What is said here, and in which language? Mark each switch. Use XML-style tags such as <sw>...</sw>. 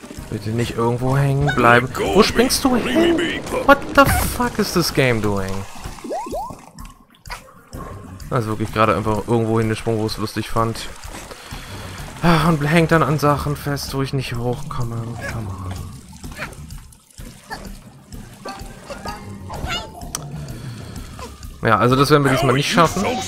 <de>Bitte nicht irgendwo hängen bleiben. Wo springst du hin?</de> <en>What the fuck is this game doing?</en> <de>Also wirklich gerade einfach irgendwo hingesprungen, wo es lustig fand. Und hängt dann an Sachen fest, wo ich nicht hochkomme.</de> <en>Come on.</en> <de>Ja, also das werden wir diesmal nicht schaffen.</de>